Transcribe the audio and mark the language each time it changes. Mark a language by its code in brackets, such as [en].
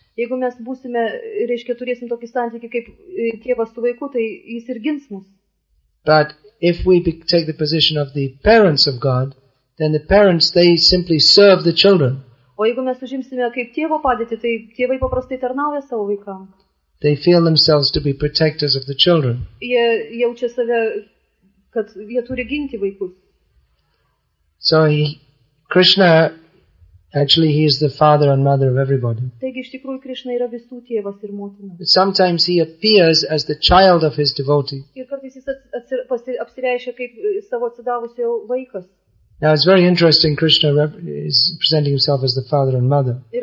[lt] Jeigu mes būsime, reiškia, turėsim tokį santykį kaip tėvas su vaiku, tai jis ir gins mus. [en] But if we take the position of the parents of God, then the parents, they simply serve the children. [lt] O jeigu mes užimsime kaip tėvo padėtį, tai tėvai paprastai tarnauja savo vaikam. [en] They feel themselves to be protectors of the children. [lt] Jie jaučia save, kad jie turi ginti vaikus. [en] So Krishna, actually he is the father and mother of everybody. [lt] Taigi iš tikrųjų Krishna yra visų tėvas ir motina. [en] But sometimes he appears as the child of his devotee. [lt] Ir kartais jis apsireiškia kaip savo atsidavusio vaikas. [en] Now it's very interesting. Krishna is presenting himself as the father and mother.